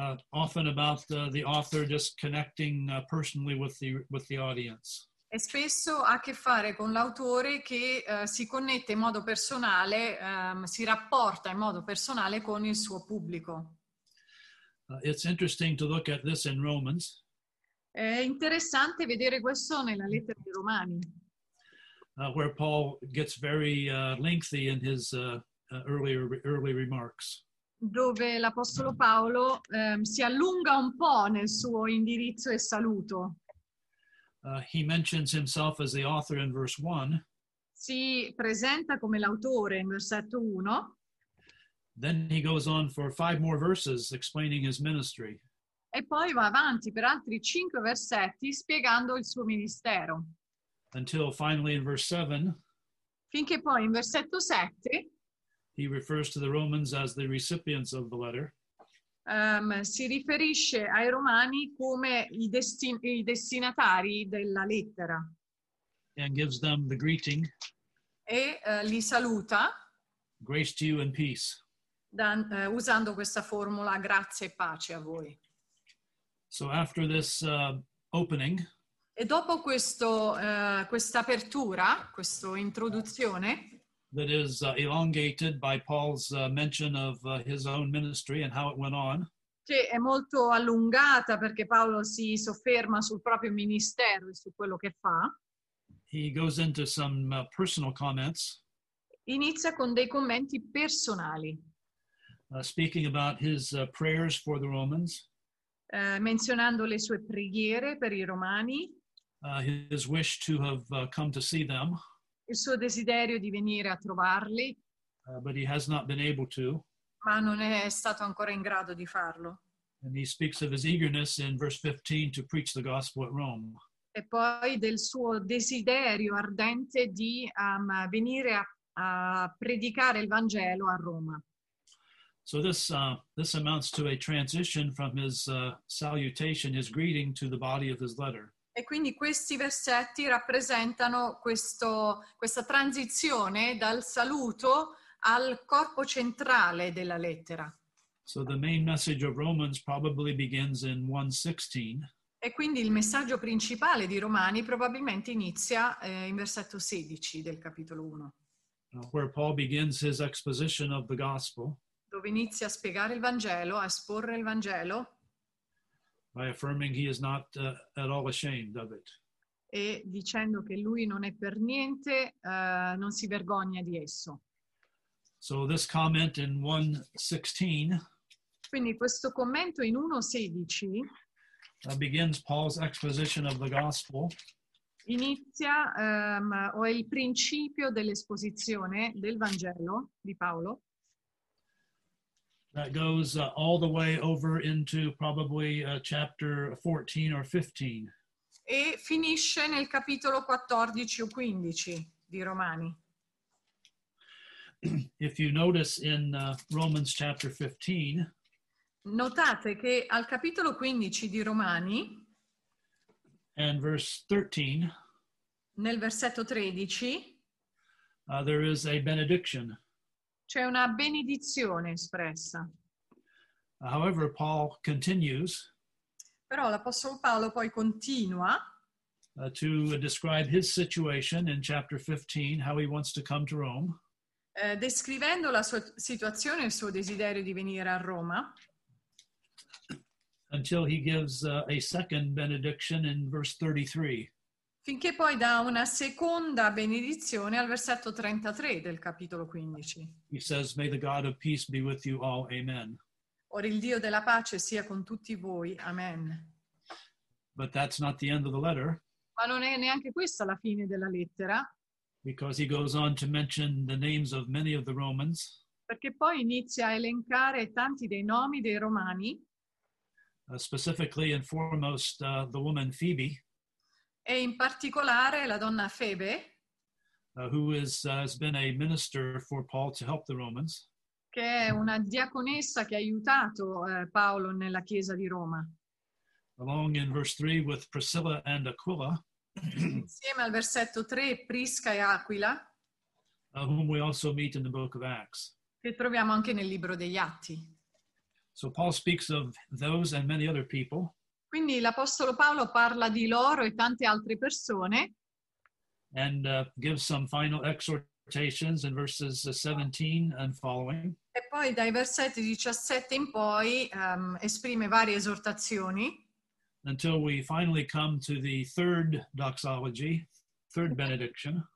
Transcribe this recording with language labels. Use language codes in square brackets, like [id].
[en] Often about the author just connecting personally with the audience. [it] E spesso ha a che fare con l'autore che si connette in modo personale, si rapporta in modo personale con il suo pubblico. [en] It's interesting to look at this in Romans. [it] È interessante vedere questo nella lettera dei Romani. [en] Where Paul gets very lengthy in his early remarks. [it] Dove l'apostolo Paolo si allunga un po' nel suo indirizzo e saluto. [en] He mentions himself as the author in verse 1. [it] Si presenta come l'autore in versetto 1. [en] Then he goes on for 5 more verses explaining his ministry. [it] E poi va avanti per altri 5 versetti spiegando il suo ministero. [en] Until finally in verse 7. [it] Finché poi in versetto 7. [en] He refers to the Romans as the recipients of the letter. [it] Si riferisce ai Romani come i destinatari della lettera. [en] And gives them the greeting. [it] E li saluta. [en] Grace to you and peace. [it] Usando questa formula, grazie e pace a voi. [en] So after this opening. [it] E dopo questa apertura, questa introduzione. [en] That is elongated by Paul's mention of his own ministry and how it went on. [it] Che è molto allungata perché Paolo si sofferma sul proprio ministero e su quello che fa. [en] He goes into some personal comments. [it] Inizia con dei commenti personali. [en] Speaking about his prayers for the Romans. [it] Menzionando le sue preghiere per i Romani. [en] His wish to have come to see them. [it] Il suo desiderio di venire a trovarli. [en] But he has not been able to. [it] Ma non è stato ancora in grado di farlo. [en] And he speaks of his eagerness in verse 15 to preach the gospel at Rome. [it] E poi del suo desiderio ardente di venire a predicare il Vangelo a Roma. [en] So this amounts to a transition from his salutation, his greeting, to the body of his letter. [it] E quindi questi versetti rappresentano questa transizione dal saluto al corpo centrale della lettera. [en] So the main message of Romans probably begins in 1:16. [it] E quindi il messaggio principale di Romani probabilmente inizia in versetto 16 del capitolo 1. [en] Where Paul begins his exposition of the gospel. [it] Dove inizia a spiegare il Vangelo, a esporre il Vangelo. [en] By affirming he is not at all ashamed of it. [it] E dicendo che lui non è per niente, non si vergogna di esso. [en] So this comment in 1:16. [it] Quindi questo commento in 1:16. [en] Begins Paul's exposition of the gospel. [it] Inizia o è il principio dell'esposizione del Vangelo di Paolo. [en] That goes all the way over into probably chapter 14 or 15. [it] E finisce nel capitolo 14 o 15 di Romani. [en] If you notice in Romans chapter 15. [it] Notate che al capitolo 15 di Romani, [en] and verse 13, [it] nel versetto 13, [en] there is a benediction. [it] C'è una benedizione espressa. [en] However, Paul continues. [it] Però l'apostolo Paolo poi continua [en] to describe his situation in chapter 15, how he wants to come to Rome. [it] Descrivendo la sua situazione, il suo desiderio di venire a Roma. [en] Until he gives a second benediction in verse 33. [it] Finché poi dà una seconda benedizione al versetto 33 del capitolo 15. [en] He says, "May the God of peace be with you all. Amen." [it] Ora il Dio della pace sia con tutti voi. Amen. [en] But that's not the end of the letter. [it] Ma non è neanche questa la fine della lettera. [en] Because he goes on to mention the names of many of the Romans. [it] Perché poi inizia a elencare tanti dei nomi dei Romani. [en] Specifically and foremost, the woman Phoebe. [it] E in particolare la donna Febe. [en] Who has been a minister for Paul to help the Romans. [it] Che è una diaconessa che ha aiutato Paolo nella chiesa di Roma. [en] Along in verse 3 with Priscilla and Aquila. [it] Insieme al versetto 3, Prisca e Aquila. [en] Whom we also meet in the book of Acts. [it] Che troviamo anche nel libro degli Atti. [en] So Paul speaks of those and many other people. [it] Quindi l'apostolo Paolo parla di loro e tante altre persone. [en] And gives some final exhortations in verses 17 and following. [it] E poi dai versetti 17 in poi esprime varie esortazioni. [en] Until we finally come to the third doxology, third benediction.